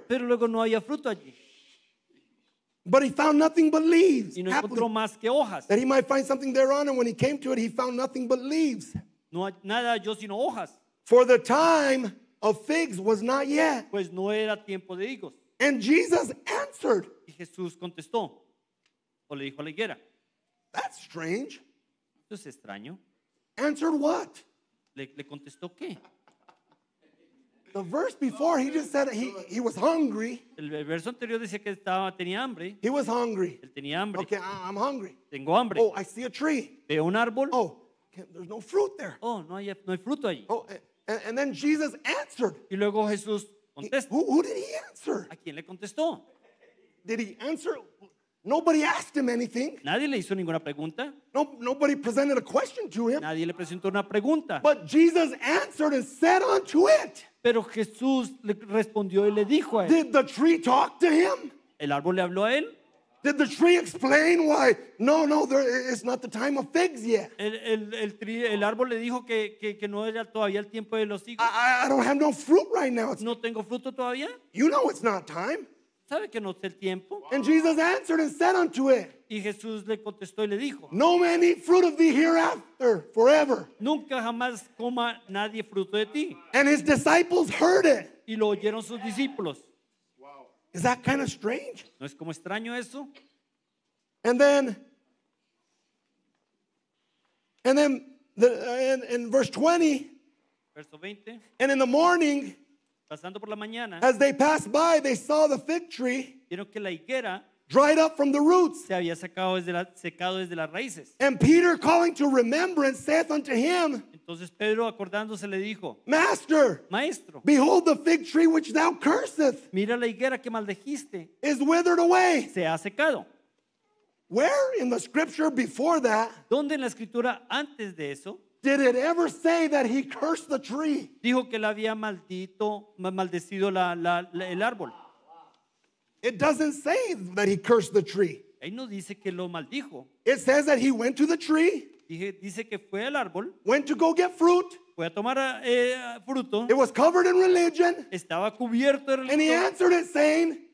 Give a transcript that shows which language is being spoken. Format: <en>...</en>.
<es>Pero luego no había fruto allí.</es> <en>But he found nothing but leaves.</en> <es>Y no encontró más que hojas.</es> <en>That he might find something thereon, and when he came to it, he found nothing but leaves.</en> <es>No, nada yo sino hojas.</es> <en>For the time of figs was not yet.</en> <es>Pues no era tiempo de higos.</es> <en>And Jesus answered.</en> <es>Y Jesús contestó, o le dijo a la higuera.</es> <en>That's strange.</en> <es>Eso es extraño.</es> <en>Answered what?</en> <es>Le contestó qué.</es> <en>The verse before, he just said he was hungry.</en> <es>El verso anterior decía que estaba tenía hambre.</es> <en>He was hungry.</en> <es>Él tenía hambre.</es> <en>Okay, I'm hungry.</en> <es>Tengo hambre.</es> <en>Oh, I see a tree.</en> <es>Veo un árbol.</es> <en>Oh, there's no fruit there.</en> <es>Oh, no hay fruto allí.</es> <en>Oh, and then Jesus answered.</en> <es>Y luego Jesús contestó.</es> <en>Who did he answer?</en> <es>¿A quién le contestó?</es> <en>Did he answer? Nobody asked him anything.</en> <es>Nadie le hizo ninguna pregunta.</es> <en>No, nobody presented a question to him.</en> <es>Nadie le presentó una pregunta.</es> <en>But Jesus answered and said unto it.</en> <es>Pero Jesús le respondió y le dijo a él.</es> <en>Did the tree talk to him?</en> <es>¿El árbol le habló a él?</es> <en>Did the tree explain why? No, it's not the time of figs yet.</en> <es>El árbol le dijo que no era todavía el tiempo de los higos.</es> <en>I don't have no fruit right now.</en> <es>No tengo fruto todavía.</es> <en>You know it's not time.</en> <es>¿Sabe que no sé el tiempo?</es> <en>And Jesus answered and said unto it,</en> <es>y Jesús le contestó y le dijo,</es> <en>no man eat fruit of thee hereafter forever.</en> <es>Nunca jamás coma nadie fruto de ti.</es> <en>And his disciples heard it.</en> <es>Y lo oyeron sus discípulos.</es> <en>Wow. Is that kind of strange?</en> <es>¿No es como extraño eso?</es> <en>And then in verse 20,</en> <es>verso 20,</es> <en>and in the morning,</en> <es>pasando por la mañana,</es> <en>as they passed by, they saw the fig tree,</en> <es>vieron que la higuera,</es> <en>dried up from the roots.</en> <es>Se había sacado desde la, secado desde las raíces.</es> <en>And Peter, calling to remembrance, saith unto him,</en> <es>entonces Pedro acordándose le dijo,</es> <en>Master,</en> <es>Maestro,</es> <en>behold the fig tree which thou cursest,</en> <es>mira la higuera que maldijiste,</es> <en>is withered away.</en> <es>Se ha secado.</es> <en>Where in the scripture before that,</en> <es>¿dónde en la escritura antes de eso,</es> <en>did it ever say that he cursed the tree?</en> <es>Dijo que la había maldito, maldecido la el árbol.</es> <en>It doesn't say that he cursed the tree.</en> <es>Ahí no dice que lo maldijo.</es> <en>It says that he went to the tree.</en> <es>Dice que fue al árbol.</es> <en>Went to go get fruit.</en> <es>Fue a tomar fruto.</es> <en>It was covered in religion.</en> <es>Estaba cubierto de religión.</es> <en>And he answered it saying,</en>